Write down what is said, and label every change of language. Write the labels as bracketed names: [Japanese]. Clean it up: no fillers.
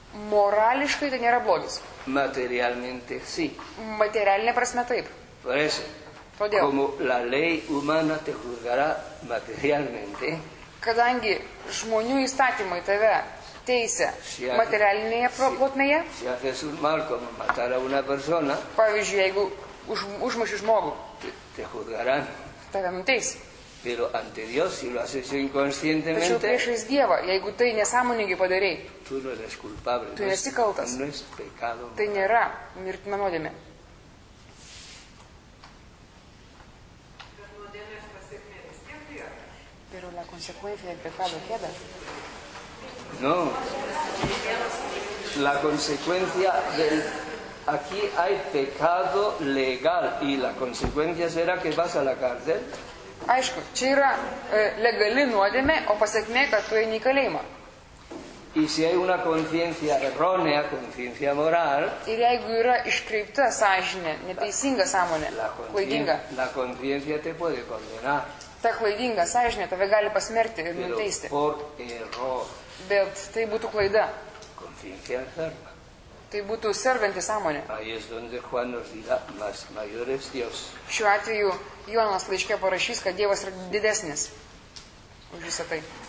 [Lithuanian] Morališkai tai nėra blogis. [Spanish] Materialmente sí. [Lithuanian] Materialinė prasme taip. [Spanish] Por eso. [Lithuanian] Todėl. [Spanish] Como la ley humana te juzgará materialmente. [Lithuanian] Kadangi žmonių įstatymai tave teisė materialinėje plotmėje. [Spanish] Si haces un mal como matar a una persona. [Lithuanian] Pavyzdžiui, jeigu užmuši žmogų. [Spanish] Te juzgarán. [Lithuanian] Tave teis. [Spanish] Pero ante Dios, si lo has hecho inconscientemente... [Lithuanian] Tačiau priešais Dievą, jeigu tai nesąmoningai padarei, [Spanish] tu no eres culpable, [Lithuanian] tu nesi kaltas, [Spanish] no es pecado, [Lithuanian] tai nėra mirtina nuodėmė. [Spanish] Pero la consecuencia del pecado queda. No. La consecuencia del... Aquí hay pecado legal y la consecuencia será que vas a la cárcel. [Lithuanian] Aišku, čia yra legali nuodėmė, o pasekmė, kad tu eini į kalėjimą. [Spanish] Y si hay una conciencia errónea, conciencia moral, [Lithuanian] ir jeigu yra iškreipta sąžinė, neteisinga sąmonė, klaidinga, [Spanish] la conciencia te puede condenar. [Lithuanian] Ta klaidinga sąžinė tave gali pasmerti ir nuteisti. [Spanish] Por error. [Lithuanian] Bet tai būtų klaida. [Spanish] Conciencia enferma. [Lithuanian] Tai būtų serganti sąmonė. [Spanish] Ahí es donde Juan nos dirá, más mayor es Dios. [Lithuanian] Šiuo atveju Jonas laiške parašys, kad Dievas yra didesnis už visą tai.